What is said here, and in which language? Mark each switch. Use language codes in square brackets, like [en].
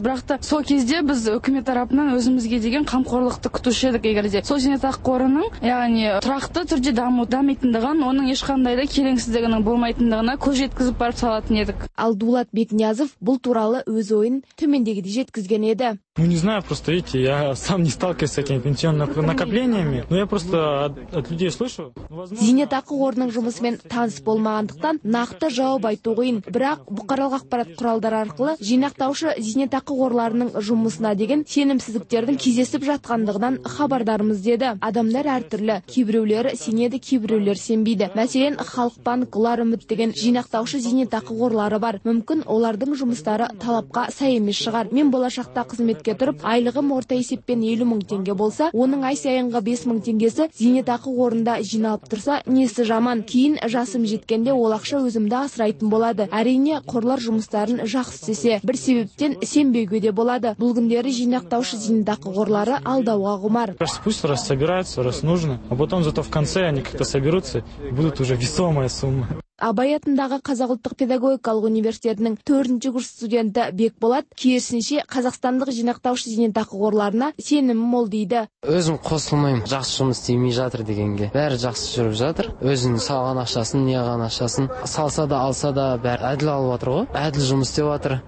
[kk] Бірақ та сол кезде біз үкімет тарапынан өзімізге деген қамқорлықты күтуші едік. Егер де сол зейнетақы қорының, яғни тұрақты түрде дамитындығын, оның ешқандай да келеңсіздігінің болмайтындығына көз жеткізіп барып салатын едік. Ал Дулат Бекниязов бұл туралы өз ойын төмендегідей жеткізген еді. [ru] Ну не знаю, просто видите, я сам не сталкиваюсь с этими пенсионными накоплениями, но я просто от людей слышу. [kk] Зейнетақы қорының жұмысымен таныс болмағандықтан нақты жауап айту қиын, бірақ бұқаралық ақпарат құралдары арқылы жинақтаушы зейнетақы қорларының жұмысына деген сенімсіздіктердің кездесіп жатқандығынан хабардармыз деді. Адамдар әртүрлі, кейбіреулері сенеді, кейбіреулер сенбейді. Мәселен, Халық банк, Ұлар үміт деген жинақтаушы зейнетақы қорлары бар. Мүмкін олардың жұмыстары талапқа сай емес шығар. Мен болашақта қызметке тұрып, айлығым орта есеппен 50.000 теңге болса, оның ай сайынғы 5.000 теңгесі зейнетақы қорында жиналып тұрса, несі жаман. Кейін жасым жеткенде ол ақша өзімді асырайтын болады. Әрине, қорлар жұмыстарын жақсы істесе, бір себептен сенбеуге де болады. Бұл күндері жинақтаушы зейнетақы қорлары алдауға құмар. [ru] Пусть раз собираются, раз нужно, а потом зато в конце они как-то соберутся, и будут уже весомая сумма. [kk] Абай атындағы Қазақ ұлттық педагогикалық университетінің 4-ші курс студенті Бекболат керісінше қазақстандық жинақтаушы зейнетақы қорларына сенімі мол дейді. Өзім қосылмаймын, жақсы жұмыс істемей жатыр дегенге. Бәрі жақсы жүріп жатыр. Өзінің салған ақшасын, неған ақшасын салса да, алса да бәрі әділ алып жатыр ғой. Әділ жұмыс істеп жатыр.